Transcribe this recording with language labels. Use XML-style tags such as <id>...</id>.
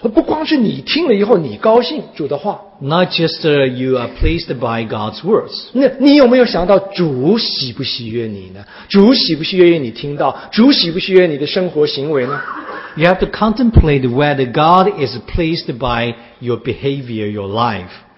<zh>不光是你听了以后你高兴主的话。</zh> <en>Not just you are pleased by God's words.</en> <zh>你有没有想到主喜不喜悦你呢？主喜不喜悦你听到？主喜不喜悦你的生活行为呢？</zh> <en>You have to contemplate whether God is pleased by your behavior, your life.</en>